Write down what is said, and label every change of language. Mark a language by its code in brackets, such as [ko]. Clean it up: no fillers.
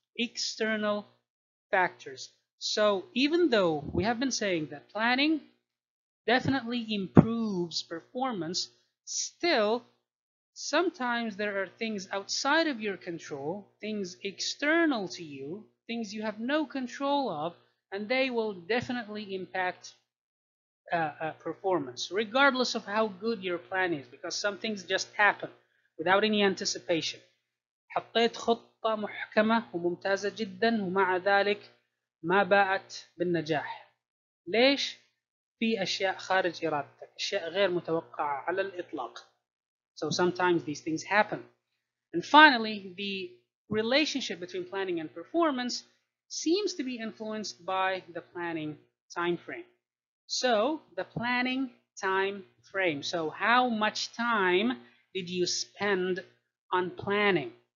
[en] External factors. So even though we have been saying that planning definitely improves performance, still, sometimes there are things outside of your control, things external to you, things you have no control of, and they will definitely impact performance, regardless of how good your plan is, because some things just happen without any anticipation. [ar] حطيت خطة محكمة وممتازة جدا ومع ذلك ما باءت بالنجاح. ليش؟ في أشياء خارج إرادتك، أشياء غير متوقعة على الإطلاق. [en] So sometimes these things happen. And finally, the relationship between planning and performance seems to be influenced by the planning time frame. So the planning time frame. So how much time did you spend on planning?